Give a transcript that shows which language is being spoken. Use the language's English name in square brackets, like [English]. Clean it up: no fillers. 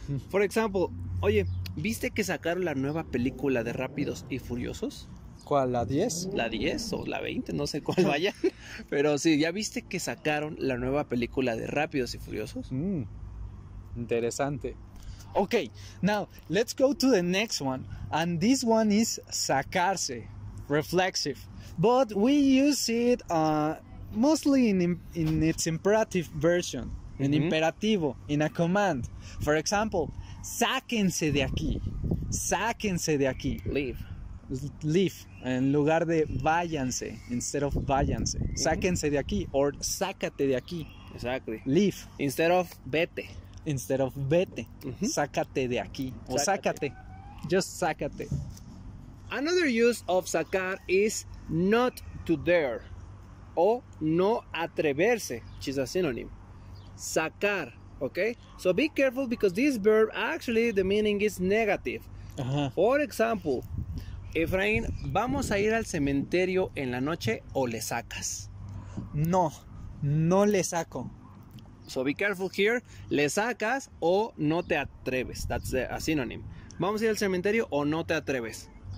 [English] For example, [Spanish] oye, ¿viste que sacaron la nueva película de Rápidos y Furiosos? ¿Cuál? ¿La 10? La 10 o la 20, no sé cuál vaya. Pero sí, ¿ya viste que sacaron la nueva película de Rápidos y Furiosos? Mm, interesante. [English] Ok, now, let's go to the next one. And this one is sacarse, reflexive. But we use it mostly in its imperative version. En mm-hmm. imperativo, in a command. For example, [Spanish] sáquense de aquí. Sáquense de aquí. [English] Leave. [Spanish] Leave. En lugar de váyanse. [English] Instead of [Spanish] váyanse. Mm-hmm. Sáquense de aquí. Or sácate de aquí. [English] Exactly. Leave. Instead of vete. Instead of [Spanish] vete. Mm-hmm. Sácate de aquí. O sácate. Just sácate. [English] Another use of sacar is not to dare. [Spanish] O no atreverse, [English] which is a synonym. Sacar, okay? So be careful because this verb, actually, the meaning is negative. Uh-huh. For example, [Spanish] Efraín, ¿vamos a ir al cementerio en la noche o le sacas? No, no le saco. [English] So be careful here, [Spanish] le sacas o no te atreves. [English] That's a synonym. [Spanish] ¿Vamos a ir al cementerio o no te atreves?